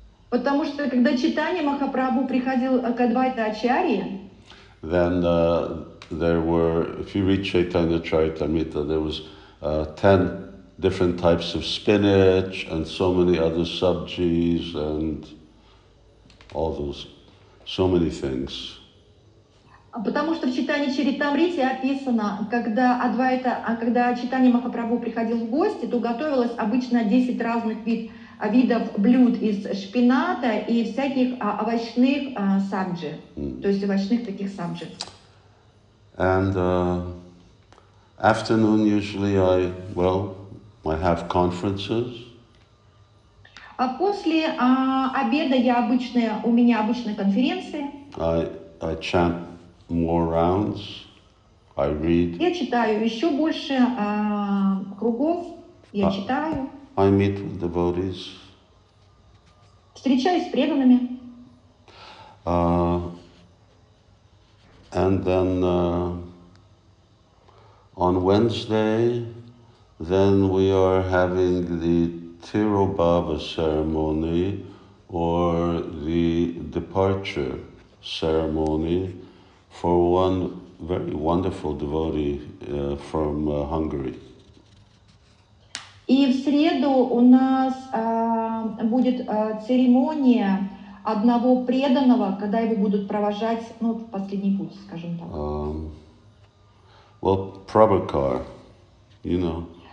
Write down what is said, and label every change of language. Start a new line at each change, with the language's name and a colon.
Russian: Потому что когда Чайтанья Махапрабху приходил к Адвайта Ачарье,
English: then there were, if you read Chaitanya Charitamrita, there was 10 different types of spinach and so many other sabjis and all those, so many things.
Russian: Потому что в читании Чаритамрити описано, когда Адвайта, когда Чайтанья Махапрабху приходил в гости, то готовилось обычно 10 разных видов блюд из шпината и всяких овощных сабджи, то есть овощных таких сабджи.
English: And afternoon usually I, well, I have conferences.
Russian: А после обеда я обычно, у меня обычно конференции.
English: I chant more rounds, I read.
Russian: Я читаю еще больше кругов, я читаю.
English: I meet with devotees.
Russian: Встречаюсь с преданными.
English: And then on Wednesday, then we are having the Tirubhava ceremony or the departure ceremony for one very wonderful devotee from Hungary.
Russian: И в среду у нас будет церемония одного преданного, когда его будут провожать, ну, в последний путь, скажем так.
English: Well, Prabhakar, you know.